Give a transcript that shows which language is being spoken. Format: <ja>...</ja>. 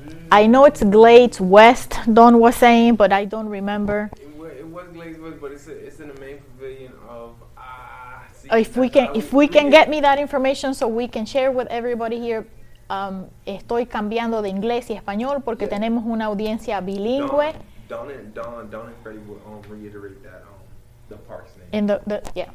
<en>I know it's Glades West, Don was saying, but I don't remember. It was Glades West, but it's in the main pavilion of... If we can get me that information so we can share with everybody here.</en> <es>Estoy cambiando de inglés y español porque tenemos una audiencia bilingüe.</es> <en>Don and Freddy will reiterate that the park's name.</en>